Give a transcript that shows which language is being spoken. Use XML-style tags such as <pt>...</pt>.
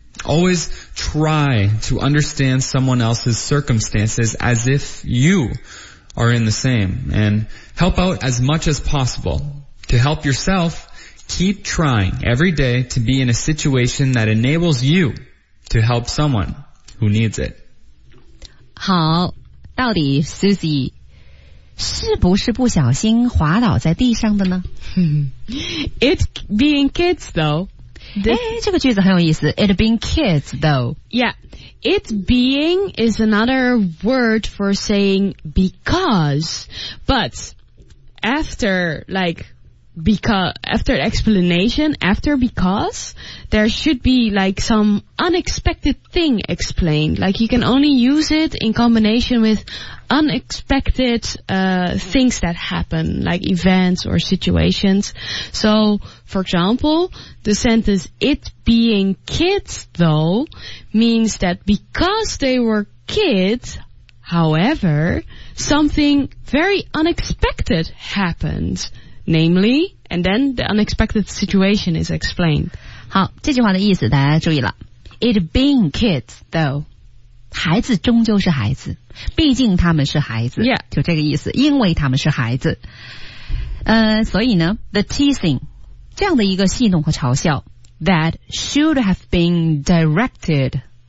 <en>Always try to understand someone else's circumstances as if you are in the same and help out as much as possible. To help yourself, keep trying every day to be in a situation that enables you to help someone who needs it.</en> <zh>好，到底 Susie 是不是不小心滑倒在地上的呢？</zh> <en>It being kids though.</en> <zh>这个句子很有意思。</zh> <en>It being kids though. Yeah. It being is another word for saying because. But after like... after explanation, after because, there should be like some unexpected thing explained. Like you can only use it in combination with unexpected, things that happen, like events or situations. So, for example, the sentence, it being kids though, means that because they were kids, however, something very unexpected happened. Namely, and then the unexpected situation is explained.</en> <zh>好，这句话的意思大家注意了。</zh> <en>It being kids, though.</en> <zh>孩子终究是孩子。毕竟他们是孩子。</zh> <en>Yeah.</en> <zh>就这个意思。因为他们是孩子。所以呢 ,</zh> <en>the teasing,</en> <zh>这样的一个戏弄和嘲笑</zh> <en>,that should have been directed</en>